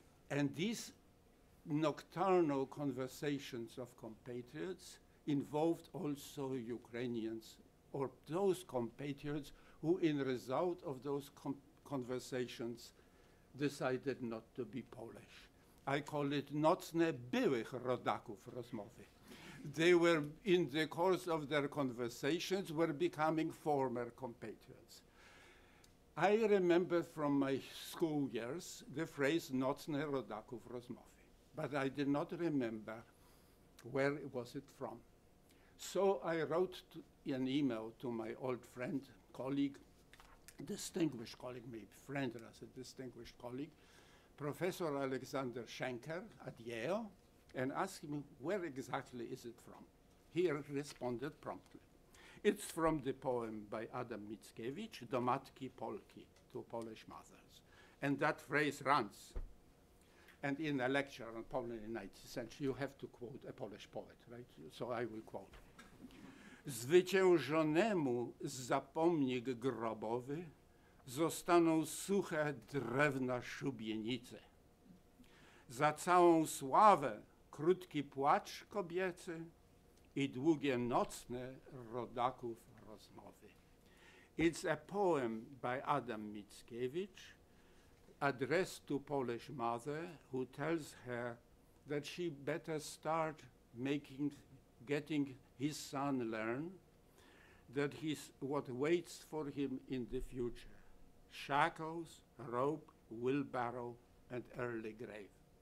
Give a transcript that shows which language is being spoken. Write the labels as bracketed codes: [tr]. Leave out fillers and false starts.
[en] And these nocturnal conversations of compatriots involved also Ukrainians, or those compatriots who, in result of those conversations, decided not to be Polish. I call it [pl] nocne byłych rodaków rozmowy. [en] They were, in the course of their conversations, were becoming former compatriots. I remember from my school years the phrase [pl] nocne rodaków rozmowy, [en] but I did not remember where was it from. So I wrote an email to my old friend, colleague, distinguished colleague, maybe friend as a distinguished colleague, Professor Alexander Schenker at Yale, and asked him, where exactly is it from? He responded promptly. It's from the poem by Adam Mickiewicz, Do Matki Polki, to Polish mothers. And that phrase runs. And in a lecture on Poland in the 19th century, you have to quote a Polish poet, right? So I will quote. [pl] Zwyciężonemu zapomnik grobowy zostaną suche drewna szubienice. Za całą sławę krótki płacz kobiecy i długie nocne rodaków rozmowy. [en] It's a poem by Adam Mickiewicz addressed to Polish mother who tells her that she better start getting his son learn that he's what waits for him in the future, shackles, rope, wheelbarrow, and early grave.